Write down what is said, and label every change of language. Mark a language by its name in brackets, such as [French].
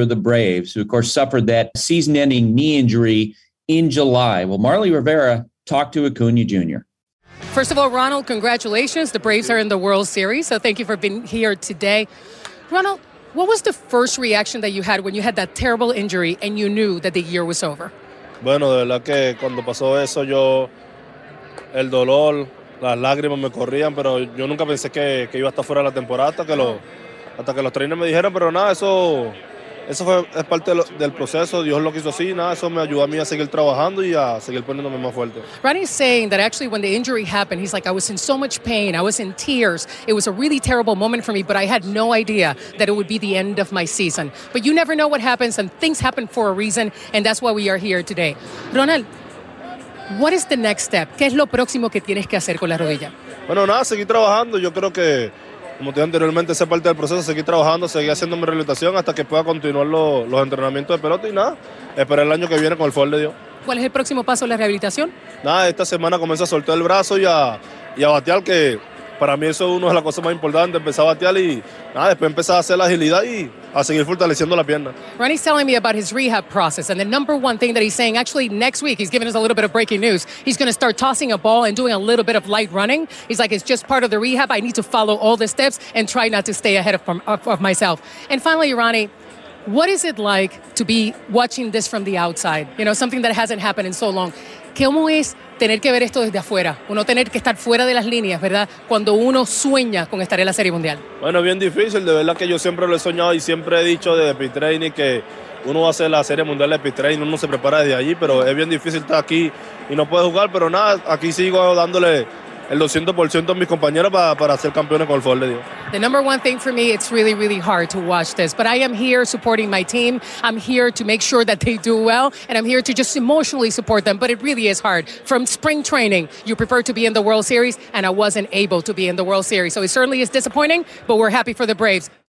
[English] of the Braves, who, of course, suffered that season-ending knee injury in July. Well, Marley Rivera talked to Acuña Jr. First of all, Ronald, congratulations. The Braves are in the World Series, so thank you for being here today. Ronald, what was the first reaction that you had when you had that terrible injury and you knew that the year was over? [Spanish] Bueno, de verdad que cuando pasó eso, yo... El dolor, las lágrimas me corrían, pero yo nunca pensé que iba a estar fuera de la temporada hasta que los trainers me dijeron, pero nada, eso fue, es parte del proceso, Dios lo quiso así, nada, eso me ayudó a mí a seguir trabajando y a seguir poniéndome más fuerte. [English] Ronnie's saying that actually when the injury happened, he's like, I was in so much pain, I was in tears, it was a really terrible moment for me, but I had no idea that it would be the end of my season. But you never know what happens, and things happen for a reason, and that's why we are here today. Ronald, what is the next step? [Spanish] ¿Qué es lo próximo que tienes que hacer con la rodilla? Bueno, nada, seguir trabajando. Yo creo que, como te dije anteriormente, esa parte del proceso, seguir trabajando, seguir haciendo mi rehabilitación hasta que pueda continuar los entrenamientos de pelota y nada, esperar el año que viene con el favor de Dios. ¿Cuál es el próximo paso en la rehabilitación? Nada, esta semana comienzo a soltar el brazo y a batear, que para mí eso es una de las cosas más importantes, empezar a batear y nada, después empezar a hacer la agilidad y a seguir fortaleciendo la pierna. [English] Ronnie's telling me about his rehab process, and the number one thing that he's saying, actually next week, he's giving us a little bit of breaking news, he's going to start tossing a ball and doing a little bit of light running. He's like, it's just part of the rehab, I need to follow all the steps and try not to stay ahead of myself. And finally, Ronnie, what is it like to be watching this from the outside? You know, something that hasn't happened in so long. [Spanish] ¿Cómo es tener que ver esto desde afuera? Uno tener que estar fuera de las líneas, ¿verdad? Cuando uno sueña con estar en la Serie Mundial. Bueno, bien difícil. De verdad que yo siempre lo he soñado y siempre he dicho desde pre-training que uno va a hacer la Serie Mundial de pre-training. Uno se prepara desde allí, pero es bien difícil estar aquí y no puede jugar. Pero nada, aquí sigo dándole el 200% a mis compañeros para ser campeones con el favor de Dios. [English] The number one thing for me, it's really, really hard to watch this. But I am here supporting my team. I'm here to make sure that they do well. And I'm here to just emotionally support them. But it really is hard. From spring training, you prefer to be in the World Series. And I wasn't able to be in the World Series. So it certainly is disappointing. But we're happy for the Braves.